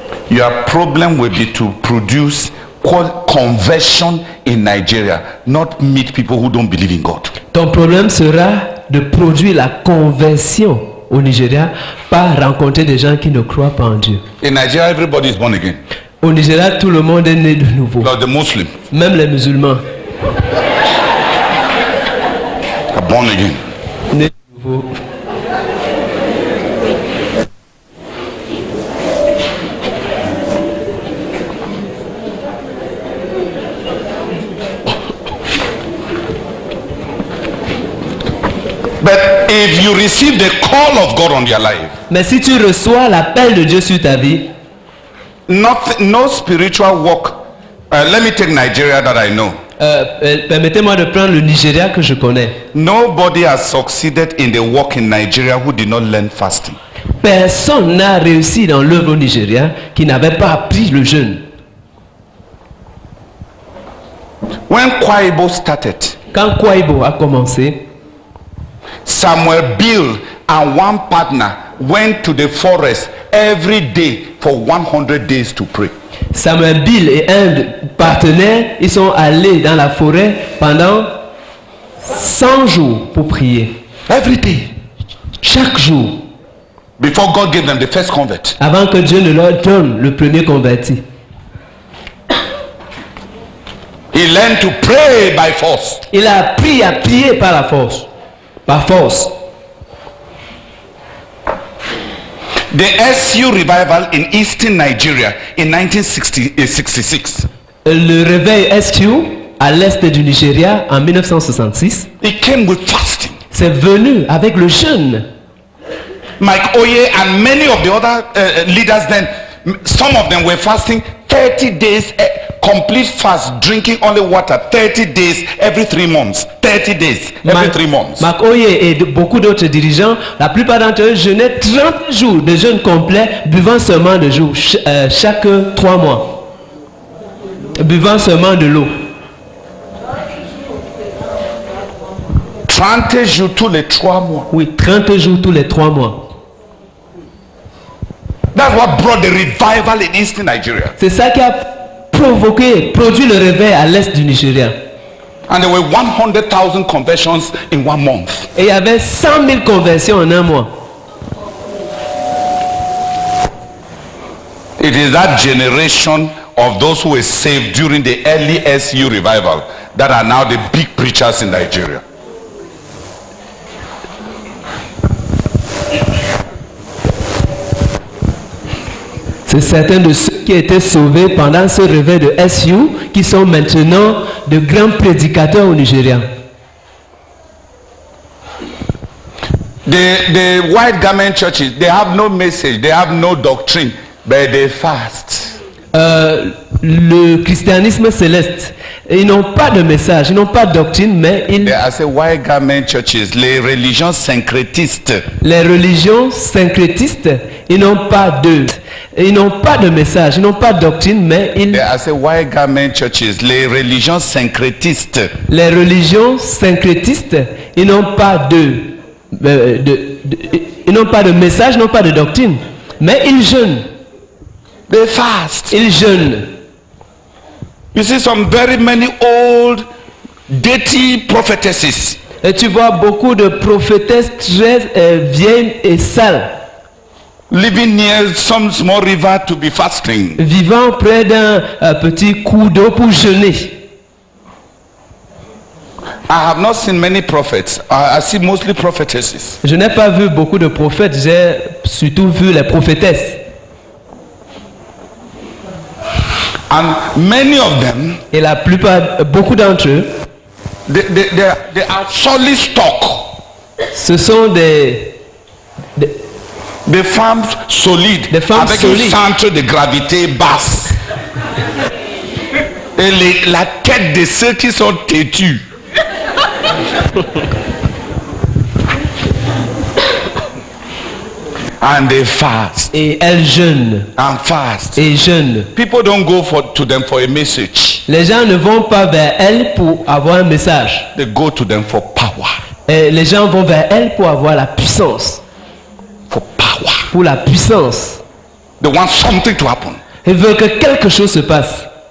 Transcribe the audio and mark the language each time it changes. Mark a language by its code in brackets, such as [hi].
[en] Your problem will be to produce conversion in Nigeria, not meet people who don't believe in God. [fr] Ton problème sera de produire la conversion au Nigeria, pas rencontrer des gens qui ne croient pas en Dieu. [en] In Nigeria, everybody is born again. [fr] Au Nigeria, tout le monde est né de nouveau. [en] Like the Muslims. [fr] Même les musulmans. [en] Are born again. [fr] Né de nouveau. [en] But if you receive the call of God on your life, [fr] mais si tu reçois l'appel de Dieu sur ta vie, [en] no spiritual work. Let me take Nigeria that I know. [fr] Permettez-moi de prendre le Nigeria que je connais. [en] Nobody has succeeded in the work in Nigeria who did not learn fasting. [fr] Personne n'a réussi dans l'œuvre au Nigeria qui n'avait pas appris le jeûne. [en] When Kwaibo started, [fr] quand Kwaibo a commencé, [en] Samuel Bill and one partner went to the forest every day for 100 days to pray. [fr] Samuel Bill et un partenaire, ils sont allés dans la forêt pendant 100 jours pour prier. [en] Every day, [fr] chaque jour. [en] Before God gave them the first convert. [fr] Avant que Dieu ne leur donne le premier converti. [en] He learned to pray by force. [fr] Il a appris à prier par la force. Par force. [en] The SU revival in Eastern Nigeria in 1966. [fr] Le réveil SU à l'est du Nigeria en 1966. [en] It came with fasting. [fr] C'est venu avec le jeûne. [en] Mike Oye and many of the other leaders then, some of them were fasting 30 days, complete fast, drinking only water, 30 days every 3 months. 30 days every 3 months. [fr] Mark Oye et beaucoup d'autres dirigeants, la plupart d'entre eux jeûnaient 30 jours de jeûne complet, buvant seulement de l'eau chaque 3 mois. Buvant seulement de l'eau. 30 jours tous les 3 mois. Oui, 30 jours tous les 3 mois. [en] That's what brought the revival in Eastern Nigeria. [fr] C'est ça qui a provoqué, produit le réveil à l'est du Nigeria. [en] And there were 100,000 conversions in 1 month. [fr] Et il y avait 100,000 conversions en un mois. [en] It is that generation of those who were saved during the early SU revival that are now the big preachers in Nigeria. [fr] C'est certains de ceux qui étaient sauvés pendant ce réveil de SU qui sont maintenant de grands prédicateurs au Nigeria. [en] The white garment churches, they have no message, they have no doctrine, but they fast. [fr] Le christianisme céleste, ils n'ont pas de message, ils n'ont pas de doctrine, mais ils... [en] I say white garment churches, [fr] les religions syncrétistes. Les religions syncrétistes, ils n'ont pas de... Ils n'ont pas de message, ils n'ont pas de doctrine, mais ils... [en] I say white garment churches, [fr] les religions syncrétistes. Les religions syncrétistes, ils n'ont pas ils n'ont pas de message, ils n'ont pas de doctrine, mais ils jeûnent. [en] They fast. [fr] Ils jeûnent. [en] You see some very many old, dirty prophetesses. [fr] Et tu vois beaucoup de prophétesses très vieilles et sales. [en] Living near some small river to be fasting. [fr] Vivant près d'un petit coup d'eau pour jeûner. [en] I have not seen many prophets. I see mostly prophetesses. [fr] Je n'ai pas vu beaucoup de prophètes. J'ai surtout vu les prophétesses. [en] And many of them, [fr] et la plupart, beaucoup d'entre eux, [en] they are solid stock. [fr] Ce sont des femmes solides, des femmes avec solides. Un centre de gravité basse. Et la tête de ceux qui sont têtus. [en] And they fast. [fr] Et elles jeûnent. [en] And fast. [fr] Et jeûnent. [en] People don't go to them for a message. [fr] Les gens ne vont pas vers elles pour avoir un message. [en] They go to them for power. [fr] Et les gens vont vers elles pour avoir la puissance. [en] For power. [fr] Pour la puissance. [en] They want something to happen. [fr] Ils veulent que quelque chose se passe.